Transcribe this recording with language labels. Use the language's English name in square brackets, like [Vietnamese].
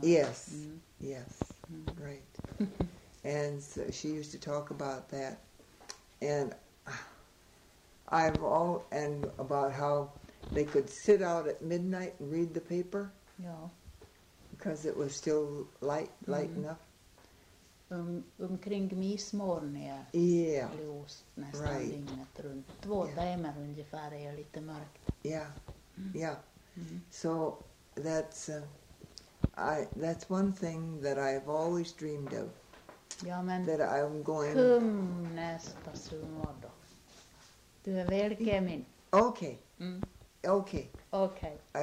[English] Yes, yes, right. And so she used to talk about that, and I've all and about how they could sit out at midnight and read the paper. Yeah. Because it was still light enough. [Swedish] Omkring midsommaren är ljus nästan dygnet runt. Två timmar ungefär är lite mörkt. [English] Yeah. So. That's one thing that I've always dreamed of. [Swedish] Ja, men [English] that I'm going. [Swedish] Kom nästa sommar då. Du är välkommen. [English] Okay. Mm. Okay. Okay.